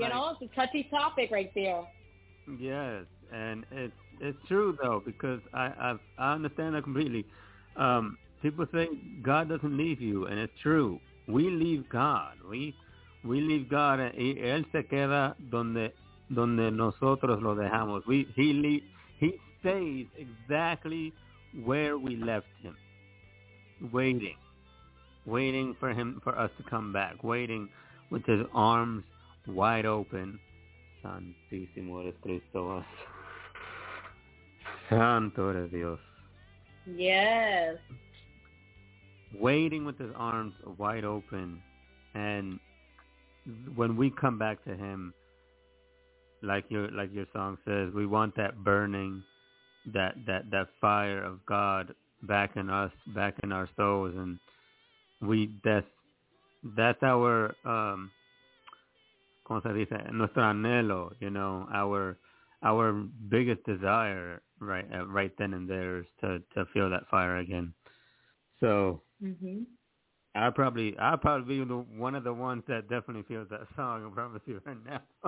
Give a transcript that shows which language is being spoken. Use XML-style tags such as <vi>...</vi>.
<en>it's a touchy topic right there. Yes, and it's true though, because I understand that completely. People say God doesn't leave you, and it's true. We leave God. We leave God.</en> <es>Él se queda donde nosotros lo dejamos.</es> <en>He stays exactly where we left him, waiting. Waiting for him, for us to come back, waiting with his arms wide open.</en> <es>Santísimo eres Cristo. Santo eres Dios.</es> <en>Yes. Waiting with his arms wide open. And when we come back to him, like your song says, we want that burning, that fire of God back in us, back in our souls. And that's our,</en> <es>¿cómo se dice? Nuestro anhelo,</es> <en>you know, our biggest desire right then and there is to feel that fire again. So I'll probably be one of the ones that definitely feels that song, I promise you right now.</en>